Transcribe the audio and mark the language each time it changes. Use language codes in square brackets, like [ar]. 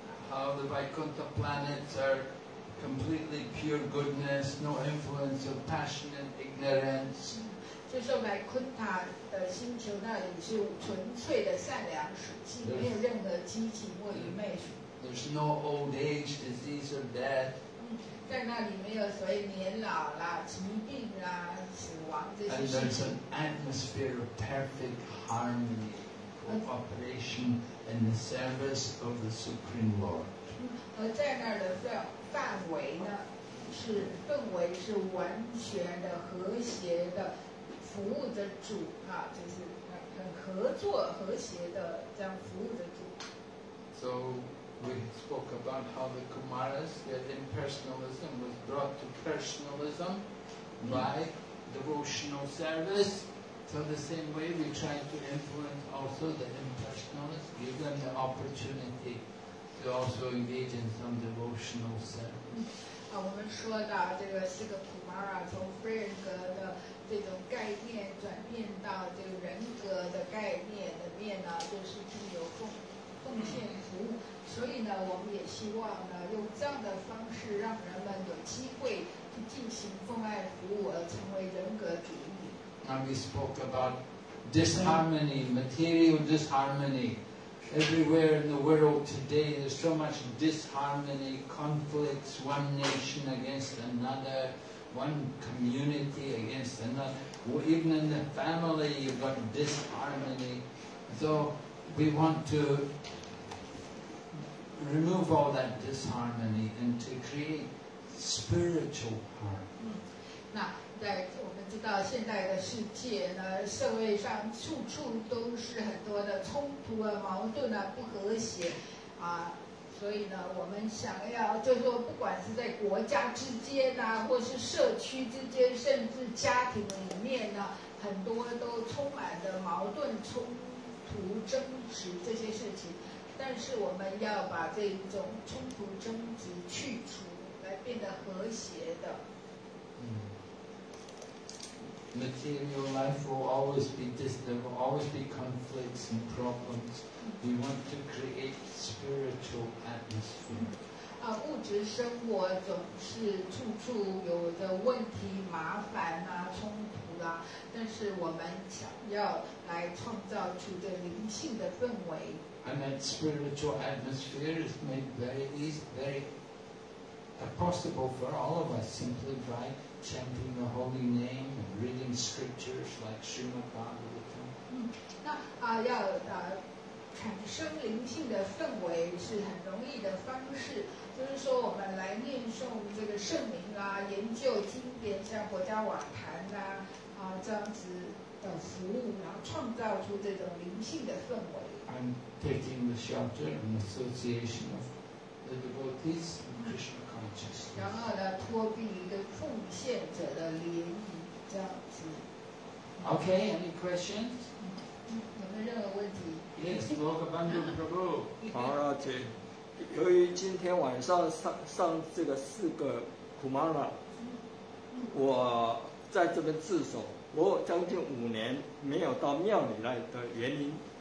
[en] how the Vaikuntha planets are completely pure goodness, no influence of passion and ignorance. [zh] 就是麦昆塔的星球那里是纯粹的善良属性，没有任何激情或愚昧。 [en] There's no old age, disease or death. [zh] 在那里没有所谓年老啦、疾病啦、死亡这些事情。 [en] And there's an atmosphere of perfect harmony, cooperation in the service of the Supreme Lord. [zh] 而在那儿的范围呢，是氛围是完全的和谐的。服务的主啊，就是很合作和谐的这样服务的主。 [en] So we spoke about how the Kumaras, their impersonalism was brought to personalism by devotional service. So the same way we try to influence also the impersonalists, give them the opportunity to also engage in some devotional service. [zh] 我们说到这个四个 Kumara 从非人格的这种概念转变到这个人格的概念的面呢，就是经由奉献服务。所以呢，我们也希望呢，用这样的方式让人们有机会去进行奉爱服务，而成为人格主义。 [en] And we spoke about disharmony, material disharmony. Everywhere in the world today, there's so much disharmony, conflicts, one nation against another. One community against another. Even in the family, you've got disharmony. So we want to remove all that disharmony and to create spiritual harmony. [zh] 那在我们知道现在的世界呢，社会上处处都是很多的冲突啊、矛盾啊、不和谐啊。所以呢，我们想要就是说，不管是在国家之间呐、或是社区之间，甚至家庭里面呢，很多都充满着矛盾、冲突、争执这些事情。但是我们要把这一种冲突、争执去除，来变得和谐的。 [en] Material life will always be there will always be conflicts and problems. We want to create spiritual atmosphere. [zh] 物质生活总是处处有的问题、麻烦啊、冲突啊，但是我们想要来创造出的灵性的氛围。 [en] And that spiritual atmosphere is made very easy, very possible for all of us simply by. Chanting the holy name and reading scriptures like Srimad Bhagavatam. [zh] 那要产生灵性的氛围是很容易的方式，就是说我们来念诵这个圣名啊，研究经典，像佛家瓦坛啊，这样子的服务，然后创造出这种灵性的氛围。 [en] And taking the shelter and association of the devotees and Krishna. [zh] 然后呢，脱离一个奉献者的涟漪，这样子。 [en] Okay, any questions? [zh] 有没有任何问题 [en] ？Yes, Loka Bandhu Prabhu, Parati. [zh] 由于今天晚上上这个四个 Kumara， 我在这边自首，我将近五年没有到庙里来的原因。